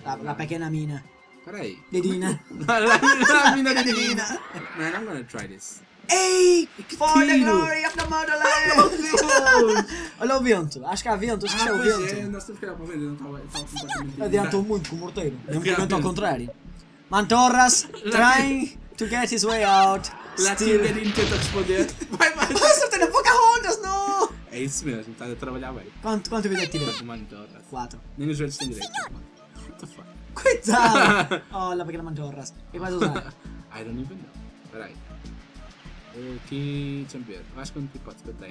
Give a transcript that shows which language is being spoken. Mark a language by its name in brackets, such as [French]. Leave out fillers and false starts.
[Portuguese] La pequena mina. Peraí. Dedina. La mina de Dedina. [English] Man, I'm gonna try this. [Portuguese] Ei! Que for tiro! [English] The glory of the motherland! [Portuguese] Olha o vento. Acho que há vento. Acho que é o vento. Ah, pois é. Nós temos que olhar para o vento. Não estava... Adiantou muito com o morteiro. É um vento ao contrário. [English] Mantorras trying to get his way out. [Portuguese] La tia Dedina tenta responder. Vai, vai. Acertei na Pocahontas, não! É isso mesmo, está a trabalhar bem. Quanto vida tira? Mantorras. 4. Nem os joelhos têm direito. [English] What the fuck? [Portuguese] Coitado! Oh, la pequena mantorras. O que vais usar? [English] I don't even know. [Portuguese] Peraí. Aqui, deixa-me ver. Acho que um tipo pode se bater.